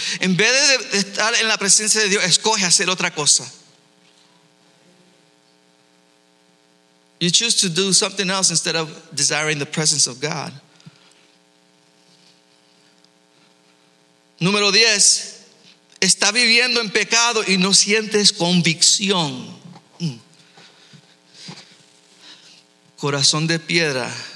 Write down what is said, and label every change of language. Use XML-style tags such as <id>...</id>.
<es>En vez de estar en la presencia de Dios, escoge hacer otra cosa.</es> <en>You choose to do something else instead of desiring the presence of God.</en> <es>Número 10, está viviendo en pecado y no sientes convicción. Corazón de piedra.</es>